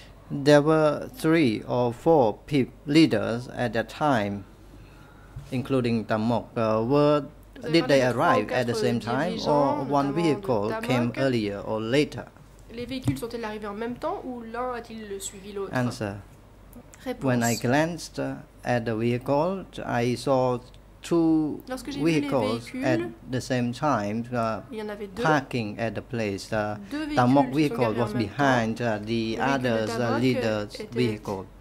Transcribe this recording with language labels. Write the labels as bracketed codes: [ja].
[en] There were three or four leaders at that time, including Tam Mok. Did they arrive at the same time, or one vehicle came earlier or later? Les véhicules sont-ils arrivés en même temps, ou l'un a-t-il suivi l'autre? Answer. [fr] Réponse. [en] When I glanced at the vehicle, I saw two vehicles at the same time parking at the place. The Tamok vehicle was behind the other's leader's vehicle.